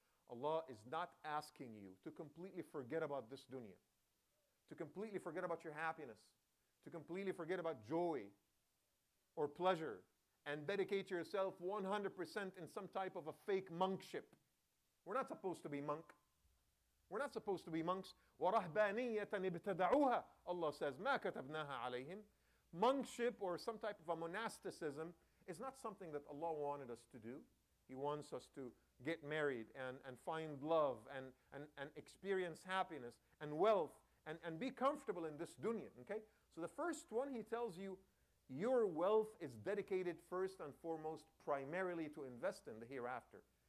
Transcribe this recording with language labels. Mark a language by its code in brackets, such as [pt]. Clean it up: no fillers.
[en] Allah is not asking you to completely forget about this dunya, to completely forget about your happiness, to completely forget about joy or pleasure, and dedicate yourself 100% in some type of a fake monkship. We're not supposed to be monk. We're not supposed to be monks. [ar] وَرَهْبَانِيَّةً ابْتَدَعُوهَا. [en] Allah says, [ar] مَا كَتَبْنَاهَا عَلَيْهِمْ. [en] Monkship or some type of a monasticism is not something that Allah wanted us to do. He wants us to get married and find love and experience happiness and wealth and be comfortable in this dunya. Okay? So the first one, he tells you, your wealth is dedicated first and foremost primarily to invest in the hereafter.